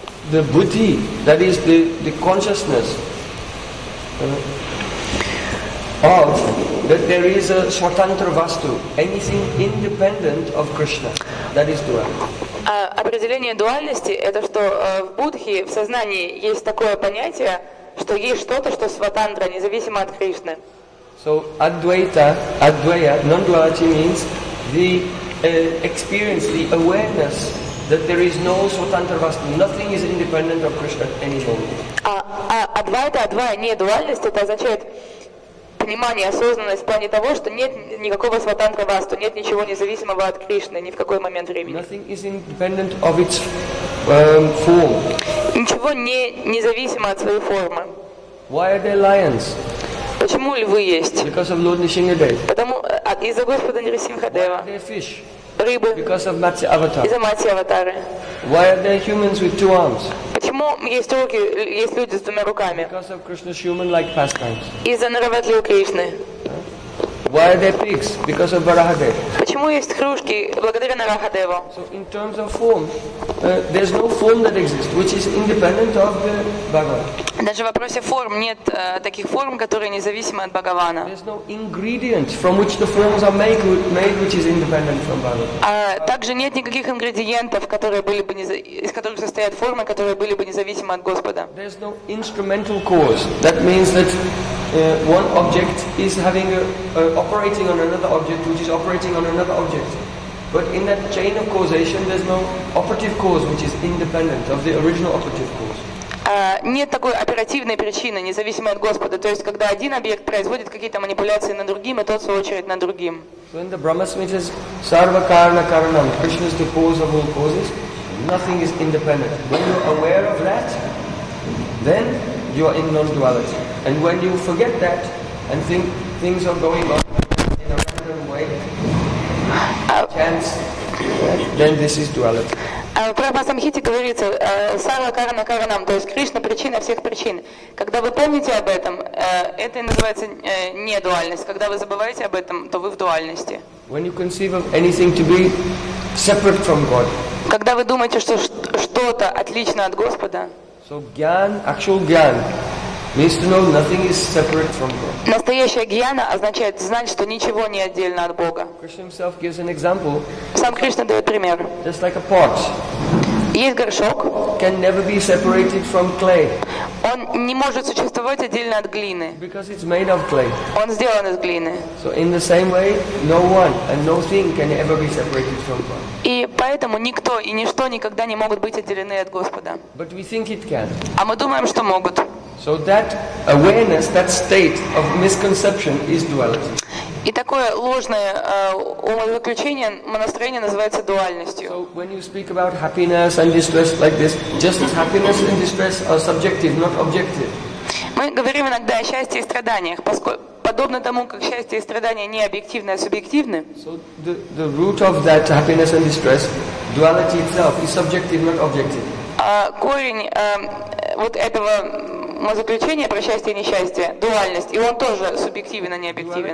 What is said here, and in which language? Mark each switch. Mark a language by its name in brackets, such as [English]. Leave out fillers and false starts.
[English] The buddhi, that is the consciousness of that there is a svatantra vastu, anything independent of Krishna, that is duality. [Russian] Определение дуальности – это что в Будхе, в сознании, есть такое понятие, что есть что-то, что сватантра, независимо от Кришны. [English] So, advaita, advaya, non-duality means the experience, the awareness that there is no svatantra vastu, nothing is independent of Krishna at any moment. [Russian] Advaita, не дуальность, это означает понимание, осознанность в плане того, что нет никакого сватантра васту, нет ничего независимого от Кришны ни в какой момент времени. [English] Nothing is independent of its form. [Russian] Ничего не независимо от своей формы. [English] Why are there lions? [Russian] Почему львы есть? [English] Because of Lord Nrisimhadev. [Russian] Потому из-за Господа Нрисимхадева. [English] Why are there fish? [Russian] Рыбы. [English] Because of Matsya Avatar. [Russian] Из-за Матсья Аватары. [English] Why are there humans with two arms? [Russian] Почему есть руки, есть люди с двумя руками? [English] Because of Krishna's human-like pastimes. [Russian] Из-за нравоотлив Кришны. [English] Why are there pigs? Because of Varahadev. [Russian] Почему есть хрюшки благодаря Нарахадеву? [English] So in terms of form, there's no form that exists, which is independent of the Bhagavan. [Russian] Даже в вопросе форм нет таких форм, которые независимы от Бхагавана. [English] There's no ingredient from which the forms are made which is independent from Bhagavan. [Russian] Также нет никаких ингредиентов, которые были бы из которых состоят формы, которые были бы независимы от Господа. [English] There's no instrumental cause. That means that one object is having operating on another object, which is operating on another object. But in that chain of causation, there's no operative cause which is independent of the original operative cause. [Russian] Нет такой оперативной причины, независимой от Господа. То есть, когда один объект производит какие-то манипуляции над другим, и тот, в свою очередь, над другим. [English] When the Brahma Smriti says, Sarva Karana Karanam, Krishna is the cause of all causes, nothing is independent. When you're aware of that, then you are in non-duality. And when you forget that, and think things are going on in a random way, chance, then this is duality. [Russian] В Прахмасамхите говорится Сарва Карана Каранам, то есть Кришна причина всех причин. Когда вы помните об этом, это и называется не дуальность. Когда вы забываете об этом, то вы в дуальности. [English] When you conceive of anything to be separate from God. [Russian] Когда вы думаете, что что-то отлично от Господа. [English] So gyan, actual gyan, means to know nothing is separate from God. [Russian] Настоящая гьяна означает знать, что ничего не отдельно от Бога. [English] Krishna himself gives an example. [Russian] Сам Кришна дает пример. [English] Just like a pot. [Russian] Есть горшок. [English] Can never be separated from clay. [Russian] Он не может существовать отдельно от глины. [English] Because it's made of clay. [Russian] Он сделан из глины. [English] So in the same way, no one and no thing can ever be separated from God. [Russian] И поэтому никто и ничто никогда не могут быть отделены от Господа. [English] But we think it can. [Russian] А мы думаем, что могут. [English] So that awareness, that state of misconception is duality. [Russian] И такое ложное умозаключение, настроение называется дуальностью. [English] So when you speak about happiness and distress like this, just happiness and distress are subjective, not objective. [Russian] Мы говорим иногда о счастье и страданиях, поскольку подобно тому, как счастье и страдания не объективны, а субъективны. [English] So the root of that happiness and distress, duality itself, is subjective, not objective. [Russian] Корень вот этого умозаключения про счастье и несчастье, дуальность, и он тоже субъективен, а не объективен.